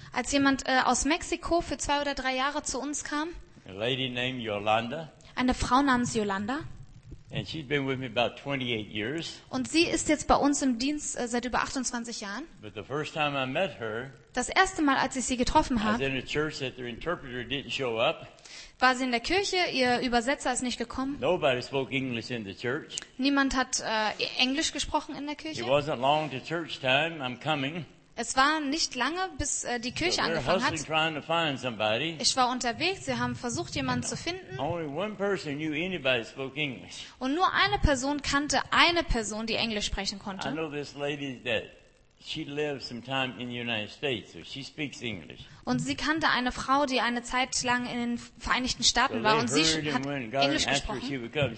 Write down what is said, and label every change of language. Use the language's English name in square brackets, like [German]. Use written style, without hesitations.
[German] Als jemand aus Mexiko für 2 oder 3 Jahre zu uns kam. [English] A lady named Yolanda. [German] Eine Frau namens Yolanda. [English] And she's been with me about 28 years. [German] Und sie ist jetzt bei uns im Dienst seit über 28 Jahren. [English] But the first time I met her. [German] Das erste Mal, als ich sie getroffen habe. [English] I was in a church that their interpreter didn't show up. [German] War sie in der Kirche, ihr Übersetzer ist nicht gekommen. [English] Nobody spoke English in the church. [German] Niemand hat Englisch gesprochen in der Kirche. [English] It wasn't long to church time. I'm coming. [German] Es war nicht lange, bis die Kirche angefangen hat. Ich war unterwegs, sie haben versucht, jemanden zu finden. [English] Only one person knew anybody spoke English. [German] Und nur eine Person kannte eine Person, die Englisch sprechen konnte. [English] I know this lady that she lived some time in the United States, so she speaks English. [German] Und sie kannte eine Frau, die eine Zeit lang in den Vereinigten Staaten war, und sie hat Englisch gesprochen.